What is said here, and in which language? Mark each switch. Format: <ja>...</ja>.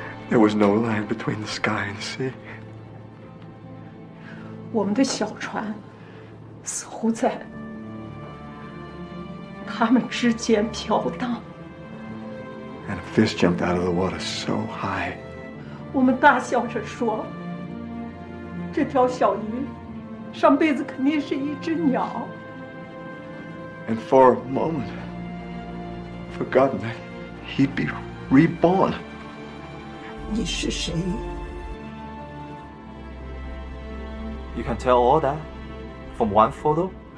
<en>There was no land between the sky and the sea.</en> <zh>我们的小船似乎在他们之间飘荡。And</zh> <en>a fish jumped out of the water so high.</en> <zh>我们大笑着说，这条小鱼上辈子肯定是一只鸟。And</zh> <en>for a moment, forgotten that he'd be reborn.</en> <zh>你是谁？</zh> <en>You can tell all that from one photo.</en>